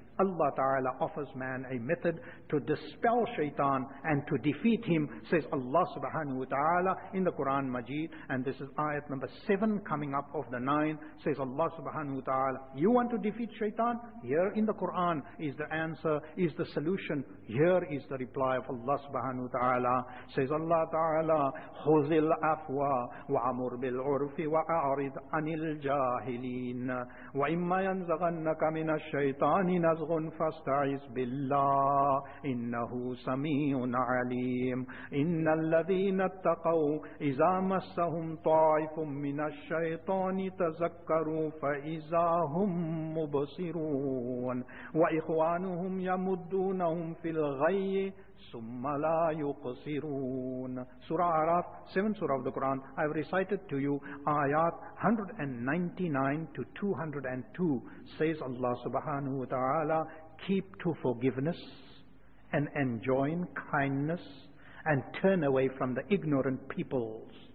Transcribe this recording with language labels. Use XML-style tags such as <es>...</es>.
<en>Allah Ta'ala offers man a method to dispel Shaitan and to defeat him, says Allah Subhanahu Wa Ta'ala in the Quran Majid, and this is ayat number 7 coming up of the 9, says Allah Subhanahu Wa Ta'ala, you want to defeat Shaitan? Here in the Quran is the answer, is the solution. Here is the reply of Allah Subhanahu Wa Ta'ala.</en> <ar>Says Allah Ta'ala, khuzil afwa wa amur bil urfi wa a'rid anil jahilin wa imma yanzaghannaka min ash-shaytanin فَاسْتَعِذْ بِاللَّهِ إِنَّهُ سَمِيعٌ عَلِيمٌ إِنَّ الَّذِينَ اتَّقَوْا إِذَا مَسَّهُمْ طَائِفٌ مِنَ الشَّيْطَانِ تَذَكَّرُوا فَإِذَا هُمْ مُبْصِرُونَ وَإِخْوَانُهُمْ يَمُدُّونَهُمْ فِي الْغَيِّ ثُمَّ لَا يُقْصِرُونَ.</ar> <en>Surah Araf, 7th Surah of the Quran. I have recited to you ayat 199 to 202. Says Allah Subhanahu Wa Ta'ala, keep to forgiveness and enjoin kindness and turn away from the ignorant peoples.</en>